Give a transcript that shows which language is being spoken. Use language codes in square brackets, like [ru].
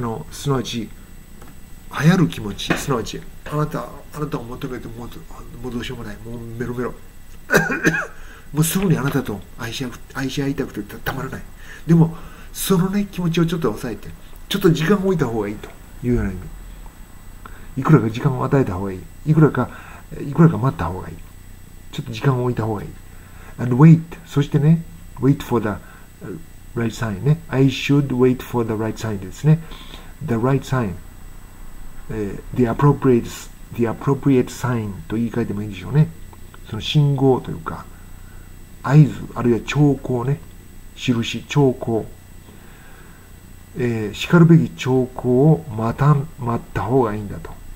[ja] すなわち流行る気持ち、すなわちあなたを求めてもうどうしようもない、もうメロメロもうすぐにあなたと愛し合いたくてたまらない。でもそのね、気持ちをちょっと抑えて、ちょっと時間を置いた方がいいというような意味。いくらか時間を与えた方がいい、いくらか待った方がいい、ちょっと時間を置いた方がいい。 [en] and wait、 [ja] そしてね、 [en] wait for the right sign ね、 I should wait for the right sign [ja] ですね。 [en] the right signThe appropriate sign [ja] と言い換えてもいいでしょうね。その信号というか、合図、あるいは兆候ね。印、兆候。しかるべき兆候を待った方がいいんだと。